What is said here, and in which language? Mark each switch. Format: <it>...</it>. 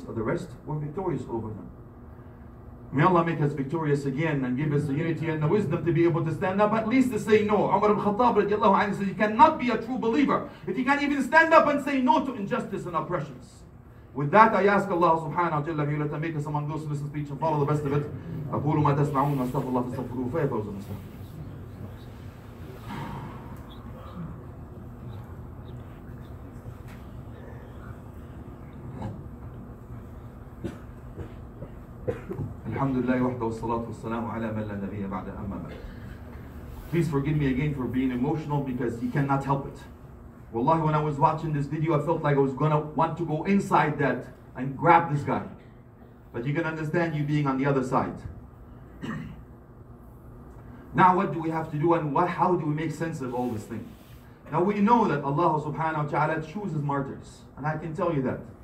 <en>The rest were victorious over him. May Allah make us victorious again and give us the unity and the wisdom to be able to stand up, at least to say no. Umar ibn Khattab radiallahu anhu says, you cannot be a true believer if you can't even stand up and say no to injustice and oppressions. With that, I ask Allah subhanahu wa ta'ala for you to make us among those who listen to speech and follow the best of it.</en> <ar>أقول ما تسمعون استغفر الله استغفروا فيا فوز المستغفر. الحمد لله وحده والصلاة والسلام على من لا نبي بعد أما بعد.</ar> <en>Please forgive me again for being emotional because he cannot help it. Wallahi, when I was watching this video, I felt like I was gonna want to go inside that and grab this guy. But you can understand you being on the other side. Now, what do we have to do and what? How do we make sense of all this thing? Now, we know that Allah subhanahu wa ta'ala chooses martyrs. And I can tell you that.</en>